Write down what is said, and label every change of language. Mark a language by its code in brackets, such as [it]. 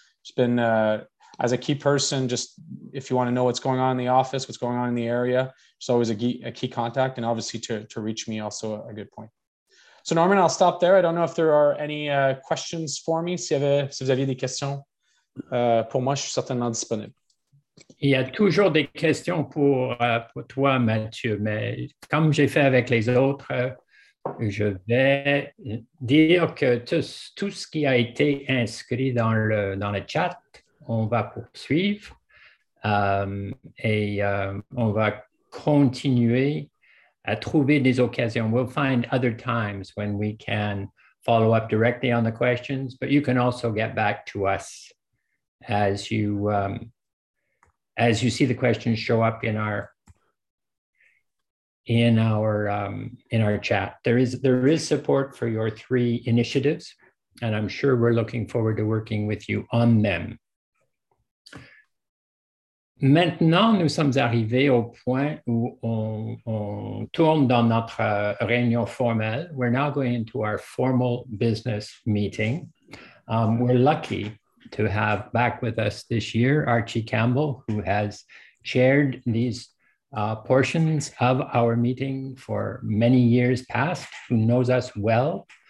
[en] She's been, as a key person, just if you want to know what's going on in the office, what's going on in the area, she's always a key contact. And obviously to reach me, also a good point. So Norman, I'll stop there. I don't know if there are any questions for me. [fr] Si vous aviez des questions. Pour moi, je suis certainement disponible. Il y a toujours des questions pour toi, Mathieu, mais comme j'ai fait avec les autres, je vais dire que tout ce qui a été inscrit dans le chat, on va poursuivre et on va continuer à trouver des occasions. [en] We'll find other times when we can follow up directly on the questions, but you can also get back to us as you see the questions show up in our in our chat. There is support for your three initiatives, and I'm sure we're looking forward to working with you on them. [fr] Maintenant, nous sommes arrivés au point où on tourne dans notre réunion formelle. [en] We're now going into our formal business meeting. We're lucky to have back with us this year Archie Campbell, who has chaired these portions of our meeting for many years past, who knows us well.